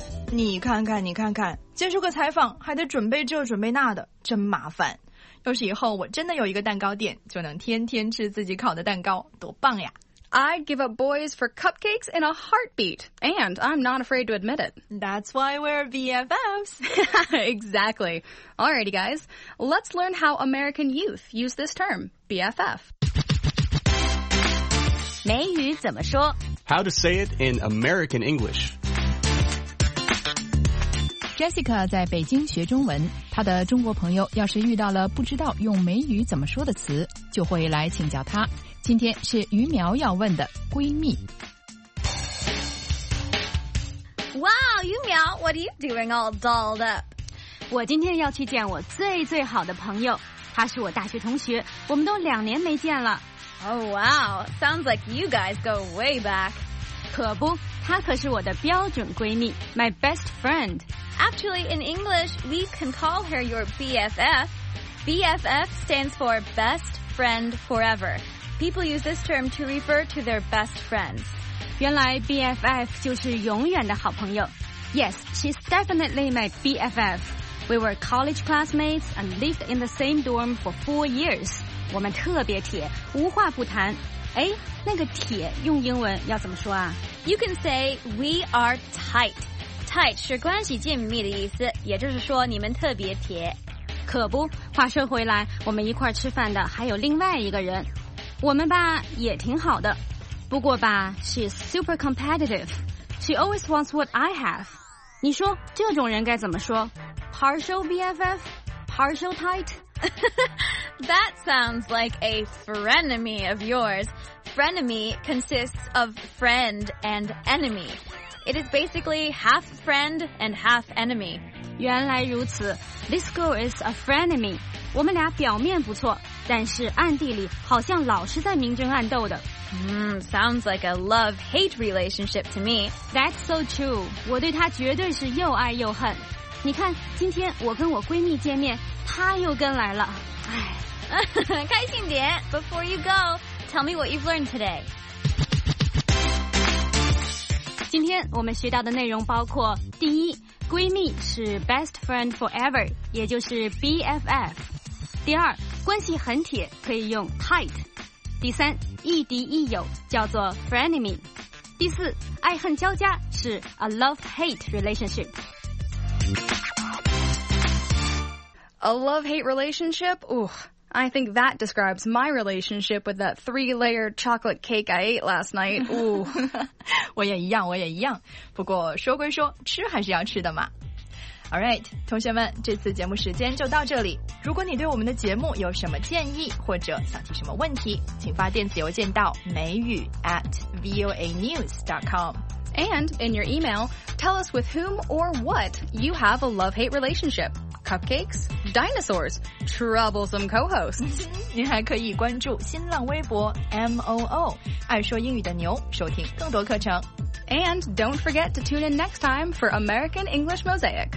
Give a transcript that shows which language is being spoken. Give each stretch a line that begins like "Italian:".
Chinese: 你看看，你看看，接受个采访还得准备这准备那的，真麻烦。要是以后我真的有一个蛋糕店，就能天天吃自己烤的蛋糕，多棒呀！
English: I'd give up boys for cupcakes in a heartbeat, and I'm not afraid to admit it. That's why we're BFFs. Exactly. Alrighty, guys, let's learn how American youth use this term, BFF.
Chinese: 美语怎么说？
English: How to say it in American English?
Chinese: Jessica 在北京学中文，她的中国朋友要是遇到了不知道用美语怎么说的词，就会来请教她。今天是于苗要问的闺蜜。
English: 哇，于苗 ，What are you doing all dolled up？
Chinese: 我今天要去见我最最好的朋友，她是我大学同学，我们都两年没见了。
English: Oh wow, sounds like you guys go way back。
Chinese: 可不，她可是我的标准闺蜜 ，
English: my best friend。 Actually, in English, we can call her your BFF. BFF stands for Best Friend Forever. People use this term to refer to their best friends.
Chinese: 原来 BFF 就是永远的好朋友。
English: Yes, she's definitely my BFF. We were college classmates and lived in the same dorm for 4 years.
Chinese: 我们特别铁，无话不谈。哎，那个铁用英文要怎么说啊？
English: You can say we are tight.
Chinese: Tight 是关系紧密的意思，也就是说你们特别铁。可不，话说回来，我们一块吃饭的还有另外一个人，我们吧也挺好的，不过吧
English: she's super competitive. She always wants what I have.
Chinese: 你说这种人该怎么说？
English: Partial BFF? Partial tight? That sounds like a frenemy of yours. Frenemy consists of friend and enemy. It is basically half friend and half enemy.
Chinese: 原来如此
English: This girl is a frenemy.
Chinese: 我们俩表面不错，但是暗地里好像老是在明争暗斗的。
English: Sounds like a love-hate relationship to me. That's so true.
Chinese: 我对她绝对是又爱又恨。你看，今天我跟我闺蜜见面，她又跟来了。哎，开心点。
English: Before you go, tell me what you've learned today.
Chinese: 今天我们学到的内容包括第一，闺蜜是
English: best friend forever，
Chinese: 也就是 BFF。第二，关系很铁可以用 tight。第三，亦敌亦友叫做 frenemy。第四，爱恨交加是
English: a love-hate relationship。 A love-hate relationship? Ooh, I think that describes my relationship with that three-layered chocolate cake I ate last night. Ooh.
Chinese: 我也一样，我也一样。不过说归说，吃还是要吃的嘛。
English: All right,
Chinese: 同学们，这次节目时间就到这里。如果你对我们的节目有什么建议或者想提什么问题，请发电子邮件到美语@voanews.com。
English: And in your email, tell us with whom or what you have a love-hate relationship. Cupcakes? Dinosaurs? Troublesome co-hosts?
Chinese: 您还可以关注新浪微博 MOO, 爱说英语的牛，收听更多课程。
English: And don't forget to tune in next time for American English Mosaic.